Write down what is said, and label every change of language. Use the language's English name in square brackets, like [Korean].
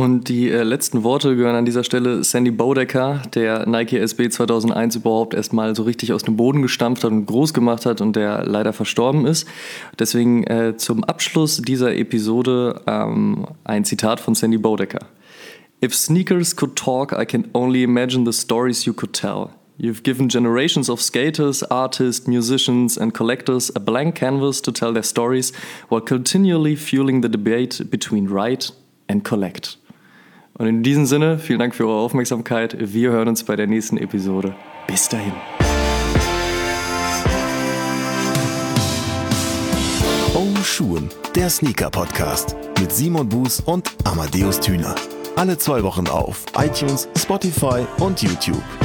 [German] Und die letzten Worte gehören an dieser Stelle Sandy Bodecker, der Nike SB 2001 überhaupt erstmal so richtig aus dem Boden gestampft hat und groß gemacht hat und der leider verstorben ist. Deswegen zum Abschluss dieser Episode ein Zitat von Sandy Bodecker. [English] If sneakers could talk, I can only imagine the stories you could tell. You've given generations of skaters, artists, musicians and collectors a blank canvas to tell their stories while continually fueling the debate between write and collect. [German] Und in diesem Sinne, vielen Dank für eure Aufmerksamkeit. Wir hören uns bei der nächsten Episode. Bis dahin. Oh Schuhen, der Sneaker-Podcast mit Simon Buß und Amadeus Thüner. Alle zwei Wochen auf iTunes, Spotify und YouTube.